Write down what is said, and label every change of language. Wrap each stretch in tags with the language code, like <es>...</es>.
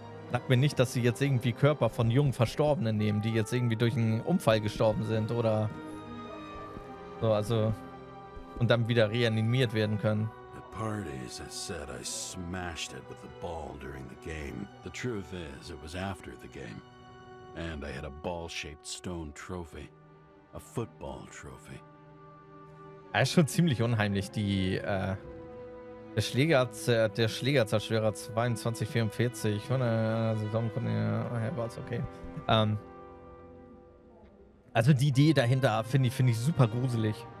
<de>Sag mir nicht, dass sie jetzt irgendwie Körper von jungen Verstorbenen nehmen, die jetzt irgendwie durch einen Unfall gestorben sind oder so, also und dann wieder reanimiert werden können.</de> <en>The party, as I said, I smashed it with the ball during the game. The truth is, it was after the game. And I had a ball-shaped stone trophy. A football trophy.</en> <de>Er ist schon ziemlich unheimlich, die, der Schlägerzerstörer 2244 von der Saison von der Herbert, okay. Also die Idee dahinter finde ich super gruselig.</de>